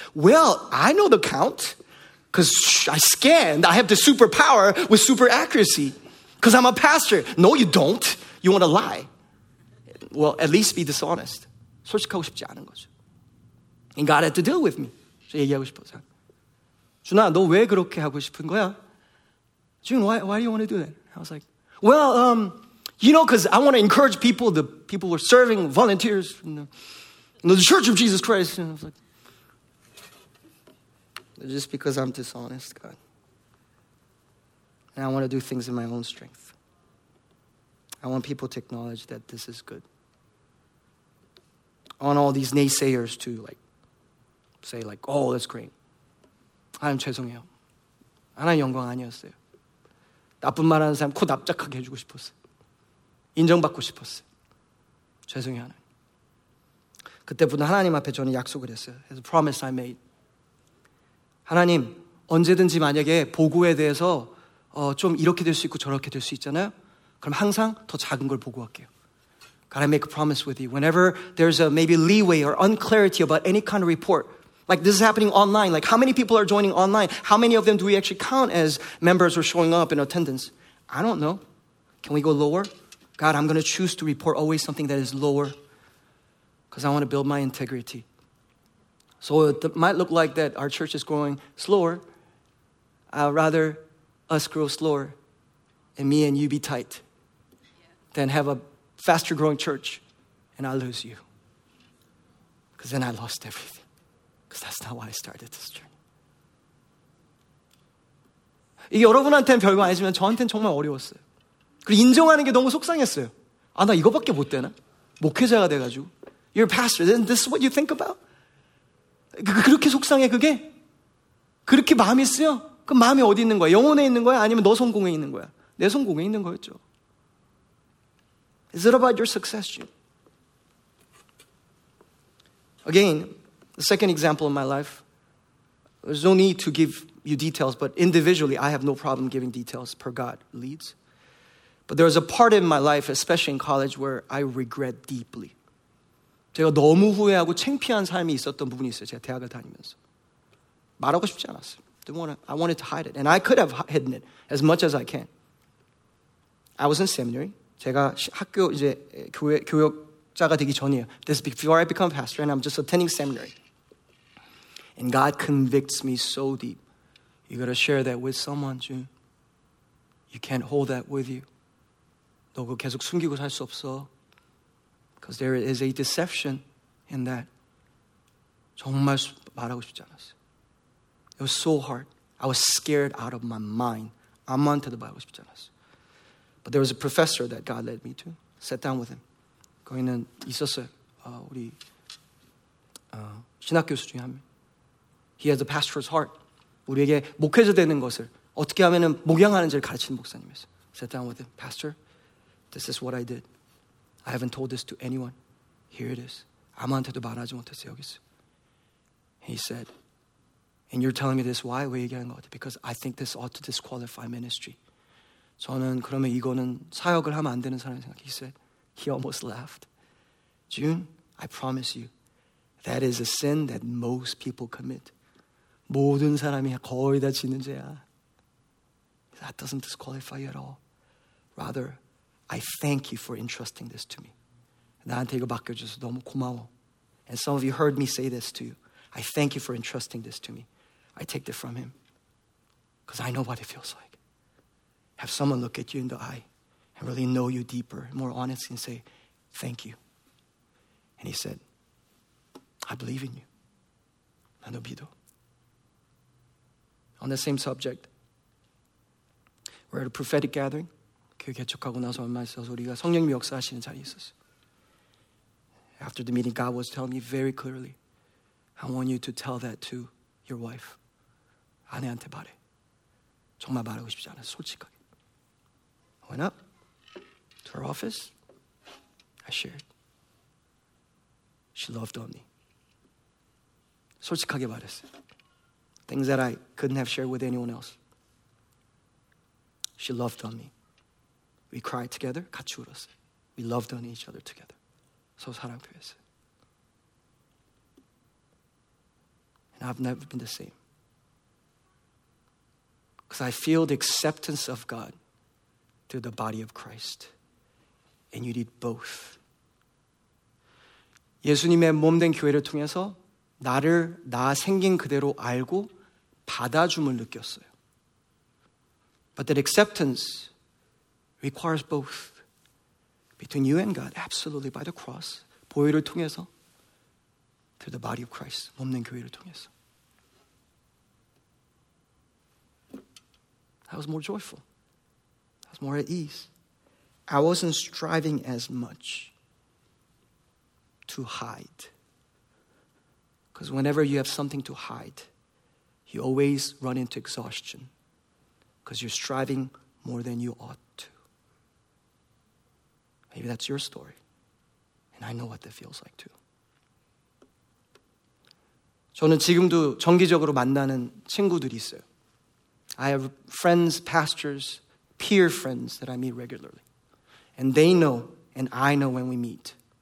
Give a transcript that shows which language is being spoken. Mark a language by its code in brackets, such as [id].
[en] Well, I know the count because I scanned. I have the superpower with super accuracy because I'm a pastor. No, you don't. You want to lie. Well, at least be dishonest. [ko] 솔직하고 싶지 않은 거죠. [en] And God had to deal with me. [ko] 저 얘기하고 싶어서. 준아, 너 왜 그렇게 하고 싶은 거야? [en] June, why do you want to do that? I was like, well, you know, because I want to encourage people, the people who are serving, volunteers from the Church of Jesus Christ. And I was like, just because I'm dishonest, God. And I want to do things in my own strength. I want people to acknowledge that this is good. I want all these naysayers to, like, say, like, oh, that's great. [ko] 하나님 죄송해요. 하나님 영광 아니었어요. 나쁜 말 하는 사람 코 납작하게 해주고 싶었어요. 인정받고 싶었어요. 죄송해요, 하나님. 그때부터 하나님 앞에 저는 약속을 했어요. [en] It's a promise I made. [ko] 하나님, 언제든지 만약에 보고에 대해서 좀 이렇게 될 수 있고 저렇게 될 수 있잖아요. 그럼 항상 더 작은 걸 보고할게요. [en] God, I make a promise with you. Whenever there's a maybe leeway or unclarity about any kind of report, like this is happening online, like how many people are joining online? How many of them do we actually count as members or showing up in attendance? I don't know. Can we go lower? God, I'm going to choose to report always something that is lower because I want to build my integrity. So it might look like that our church is growing slower. I'd rather us grow slower and me and you be tight than have a faster growing church and I lose you. Because then I lost everything. Because that's not why I started this journey. [ko] 이게 여러분한테는 별거 아니지만 저한테는 정말 어려웠어요. 그리고 인정하는 게 너무 속상했어요. 아, 나 이거밖에 못 되나? 목회자가 돼가지고. [en] You're a pastor, then this is what you think about? [ko] 그렇게 속상해, 그게? 그렇게 마음이 쓰여? 그럼 마음이 어디 있는 거야? 영혼에 있는 거야? 아니면 너 성공에 있는 거야? 내 성공에 있는 거였죠. [en] Is it about your success, Jim? Again, the second example in my life, there's no need to give you details, but individually, I have no problem giving details per God leads. But there was a part in my life, especially in college, where I regret deeply. [ko] 제가 너무 후회하고 창피한 삶이 있었던 부분이 있어요. 제가 대학을 다니면서. 말하고 싶지 않았어요. [en] I wanted to hide it. And I could have hidden it as much as I can. I was in seminary. [ko] 제가 학교 이제 교육자가 되기 전이에요. [en] This is before I become a pastor and I'm just attending seminary. And God convicts me so deep. You got to share that with someone, June. You can't hold that with you. [ko] 너 그거 계속 숨기고 살 수 없어. [en] Because there is a deception in that. [ko] 정말 말하고 싶지 않았어요. [en] It was so hard. I was scared out of my mind. [ko] 아무한테도 말하고 싶지 않았어요. [en] But there was a professor that God led me to. Sat down with him. [ko] 거기는 있었어요. 우리 신학교수 중에 한 명. [en] He has a pastor's heart. [ko] 우리에게 목회자 되는 것을 어떻게 하면 목양하는지를 가르치는 목사님이었어요. [en] Sat down with him. Pastor, this is what I did. I haven't told this to anyone. Here it is. [ko] 아무한테도 말하지 못했어요. 여기 있어. [en] He said, and you're telling me this, why? [ko] 왜 얘기하는 것 같아? [en] Because I think this ought to disqualify ministry. [ko] 저는 그러면 이거는 사역을 하면 안 되는 사람이 생각해. [en] He said, he almost laughed. June, I promise you, that is a sin that most people commit. [ko] 모든 사람이 거의 다 짓는 죄야. [en] That doesn't disqualify you at all. Rather, I thank you for entrusting this to me. [ko] 나한테 이거 맡겨줘서 너무 고마워. [en] And some of you heard me say this to you. I thank you for entrusting this to me. I take it from him. Because I know what it feels like. Have someone look at you in the eye and really know you deeper, more honestly, and say, thank you. And he said, I believe in you. [ko] 나도 믿어. [en] On the same subject, we're at a prophetic gathering. [ko] 교회 개척하고 나서 얼마 있어서 우리가 성령님이 역사하시는 자리에 있었어요. [en] After the meeting, God was telling me very clearly, I want you to tell that to your wife. [ko] 아내한테 말해. 정말 말하고 싶지 않아, 솔직하게. [en] I went up to her office. I shared. She loved on me. [ko] 솔직하게 말했어요. [en] Things that I couldn't have shared with anyone else. She loved on me. We cried together, [ko] 같이 울었어요. [en] We loved on each other together. [ko] 서로 사랑 표했어요. [en] And I've never been the same. Because I feel the acceptance of God through the body of Christ. And you need both. [ko] 예수님의 몸된 교회를 통해서 나를 나 생긴 그대로 알고 받아줌을 느꼈어요. [en] But that acceptance requires both between you and God, absolutely by the cross, [ko] 보혈을 통해서 [en] through the body of Christ, [ko] 몸된 교회를 통해서. [en] I was more joyful. I was more at ease. I wasn't striving as much to hide. Because whenever you have something to hide, you always run into exhaustion. Because you're striving more than you ought to. Maybe that's your story. And I know what that feels like too. [ko] 저는 지금도 정기적으로 만나는 친구들이 있어요. [en] I have friends, pastors, peer friends that I meet regularly. And they know, and I know when we meet.